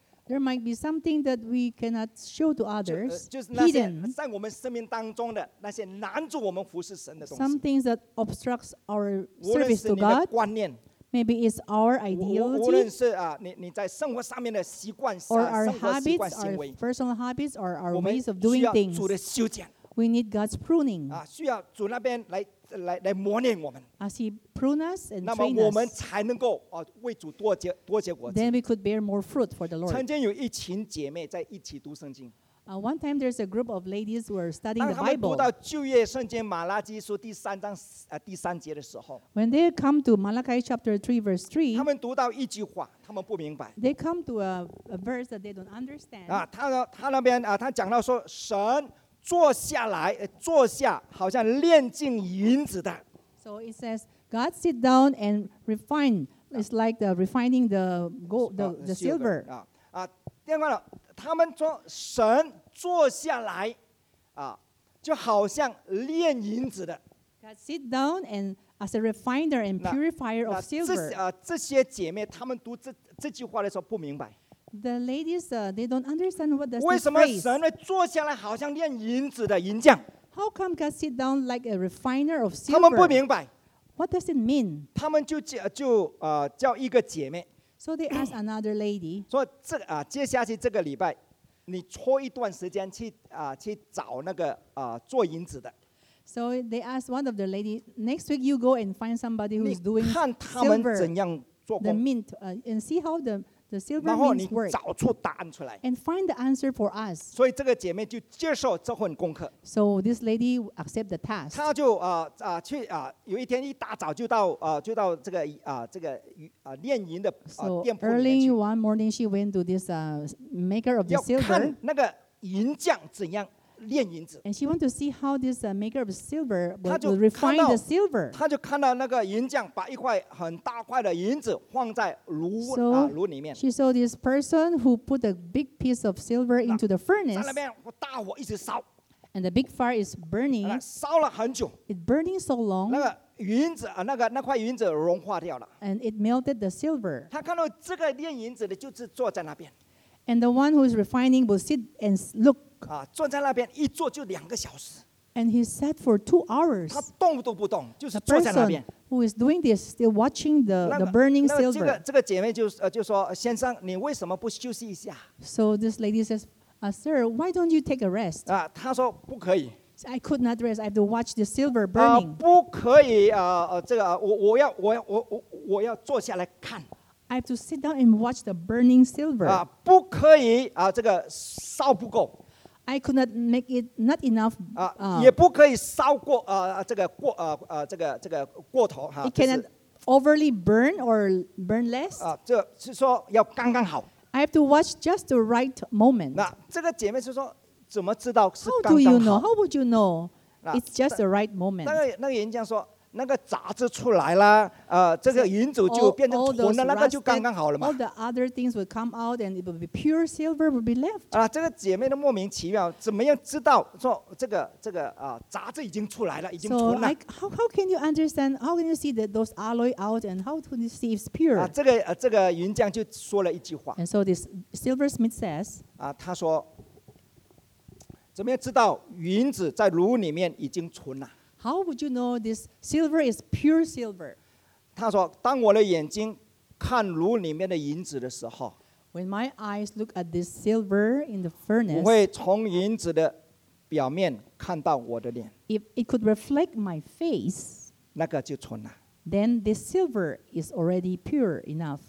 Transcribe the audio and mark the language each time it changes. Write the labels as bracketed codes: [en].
[en] There might be something that we cannot show to others. [zh] 就是那些在我们生命当中的那些拦住我们服侍神的东西。 [en] Some things that obstructs our service to God. [zh] 无论是你的观念。 [en] Maybe it's our ideology. [zh] 无论是你在生活上面的习惯。 [en] Or our habits, our personal habits, or our ways of doing things. [zh] 我们需要主的修剪。 [en] We need God's pruning. [zh] 需要主那边来磨练我们。 [en] As He prunes us and trains us. [zh] 那么我们才能够为主多结果子。 [en] Then we could bear more fruit for the Lord. [zh] 曾经有一群姐妹在一起读圣经。 [en] One time there's a group of ladies who were studying the Bible. [zh] 当他们读到旧约圣经马拉基书第三章第三节的时候。 [en] When they come to Malachi chapter 3 verse 3. [zh] 他们读到一句话他们不明白。 [en] They come to a verse that they don't understand. [zh] 他那边他讲到说神坐下来，坐下，好像炼净银子的。 [en] So it says, God sit down and refine. It's like the refining the gold, the silver. [zh] 另外呢，他们说神坐下来，就好像炼银子的。 [en] God sit down and as a refiner and purifier of silver. [zh] 这些姐妹，她们读这句话的时候不明白。 [en] The ladies, they don't understand what does this phrase. [zh] 为什么神会坐下来，好像炼银子的银匠 [en] ？How come God sit down like a refiner of silver? [zh] 他们不明白。 [en] What does it mean? [zh] 他们就叫一个姐妹。 [en] So they ask another lady. [zh] 说这接下去这个礼拜，你抽一段时间去找那个做银子的。 [en] So they ask one of the lady, next week you go and find somebody who's doing silver. [zh] 你看他们怎样做工 [en] ？The mint, and see how the silver means [zh] work. 然后你找出答案出来。 [en] And find the answer for us. [zh] 所以这个姐妹就接受这份功课。 [en] So this lady accept the task. [zh] 她就去有一天一大早就到这个炼银的店铺里面去。 [en] So early one morning she went to this maker of the silver. [zh] 要看那个银匠怎样炼银子。 [en] And she want to see how this maker of silver will refine the silver. [zh] 她就看到那个银匠把一块很大块的银子放在炉里面。 [en] She saw this person who put a big piece of silver into the furnace. [zh] 在那边大火一直烧。 [en] And the big fire is burning. [zh] 烧了很久。 [en] It burning so long. [zh] 那个银子那块银子融化掉了。 [en] And it melted the silver. [zh] 她看到这个炼银子的就是坐在那边。 [en] And the one who is refining will sit and look. [zh] 坐在那边一坐就两个小时。 [en] And he sat for 2 hours. [zh] 他动都不动，就是坐在那边。 [en] The person who is doing this still watching the burning silver. [zh] 这个姐妹就说：“先生，你为什么不休息一下？” [en] So this lady says, Sir, why don't you take a rest? [zh] 啊，他说不可以。 [en] I could not rest. I have to watch the silver burning. [zh] 不可以啊，这个我要坐下来看。 [en] I have to sit down and watch the burning silver. [zh] 啊，不可以啊，这个烧不够。 [en] I could not make it not enough. [zh] 啊，也不可以烧过啊，这个过啊啊，这个过头哈。 [en] It cannot overly burn or burn less. [zh] 啊，这是说要刚刚好。 [en] I have to watch just the right moment. [zh] 那这个姐妹是说。怎么知道是刚刚 [en] 好？ How do you know? How would you know? It's just the right moment. [zh] 那个演讲说，那个杂质出来了，这个银子就变成纯了， [en] all rusted, [zh] 那个就刚刚好了嘛。 [en] All the other things will come out, and it will be pure silver will be left. [zh] 啊，这个姐妹的莫名其妙，怎么样知道说这个杂质已经出来了，已经纯了 [en] ？So how can you understand? How can you see that those alloy out, and how can you see it's pure? [zh] 啊，这个银匠就说了一句话。 [en] And so this silversmith says. [zh] 啊，他说。怎么样知道银子在炉里面已经纯了 [en] ？How would you know this silver is pure silver？ [zh] 他说：“当我的眼睛看炉里面的银子的时候 [en] ，When my eyes look at this silver in the furnace， [zh] 我会从银子的表面看到我的脸。 [en] If it could reflect my face， [zh] 那个就纯了。 [en] Then this silver is already pure enough。